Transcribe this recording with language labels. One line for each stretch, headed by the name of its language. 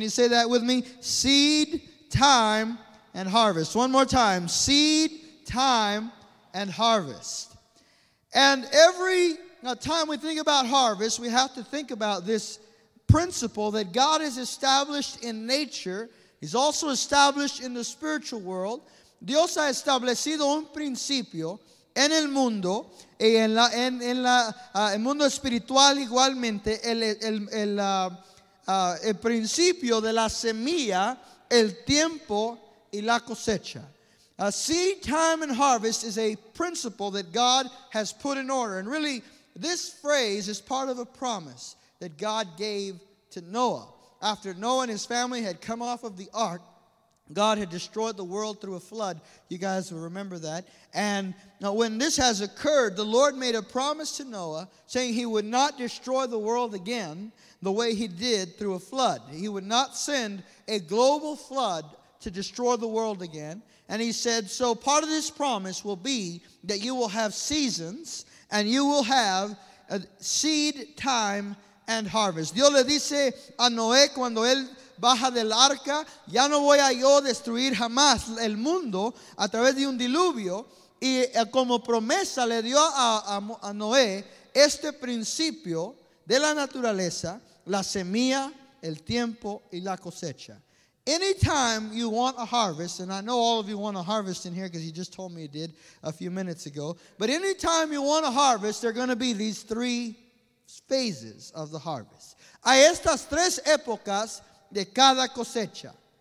English: Can you say that with me? Seed, time, and harvest. One more time. Seed, time, and harvest. And every time we think about harvest, we have to think about this principle that God has established in nature. He's also established in the spiritual world.
Spanish: Dios ha establecido un principio en el mundo, en el mundo espiritual igualmente, el principio de la semilla, el tiempo y la cosecha.
English: Seed, time, and harvest is a principle that God has put in order. And really, this phrase is part of a promise that God gave to Noah. After Noah and his family had come off of the ark, God had destroyed the world through a flood. You guys will remember that. And now when this has occurred, the Lord made a promise to Noah saying he would not destroy the world again the way he did through a flood. He would not send a global flood to destroy the world again. And he said, so part of this promise will be that you will have seasons and you will have a seed time and harvest.
Spanish: Dios le dice a Noé cuando él baja del arca, ya no voy a yo destruir jamás el mundo a través de un diluvio. Y como promesa le dio a Noé este principio de la naturaleza, la semilla, el tiempo y la cosecha.
English: Anytime you want a harvest, and I know all of you want a harvest in here because you just told me you did a few minutes ago. But anytime you want a harvest, there are going to be these three phases of the harvest.
Spanish: A estas tres épocas de cada cosecha.